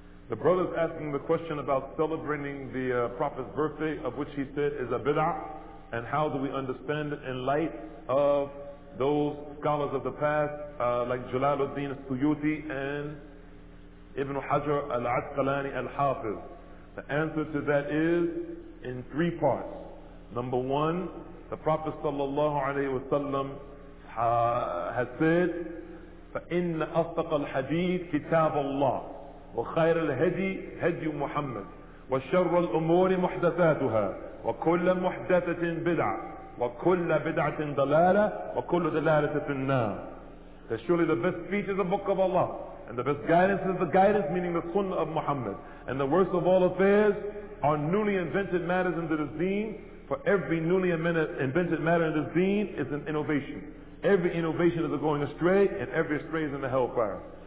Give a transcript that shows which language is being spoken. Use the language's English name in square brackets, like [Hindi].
[English] The brother's asking the question about celebrating the Prophet's birthday, of which he said is a bid'ah, and how do we understand it in light of those scholars of the past, like Jalaluddin Suyuti and Ibn Hajar al-Asqalani al-Hafiz. The answer to that is in three parts. Number one, the Prophet sallallahu alayhi wa sallam has said, [Arabic] فَإِنَّ أَصْدَقَ الْحَدِيثِ كِتَابَ اللَّهِ وَخَيْرَ الْهَدِي هَدْيُ مُحَمَّدٍ وَشَرَّ الْأُمُورِ مُحْدَثَاتُهَا وَكُلَّ مُحْدَثَةٍ بِدْعَةٍ وَكُلَّ بِدْعَةٍ ضَلَالَةٍ وَكُلُّ ضَلَالَةٍ فِي النَّارِ. [English] That surely the best speech is the book of Allah, and the best guidance is the guidance, meaning the sunnah of Muhammad. And the worst of all affairs are newly invented matters into this deen, for every newly invented matter in this deen is an innovation. Every innovation is a going astray, and every astray is in the hellfire.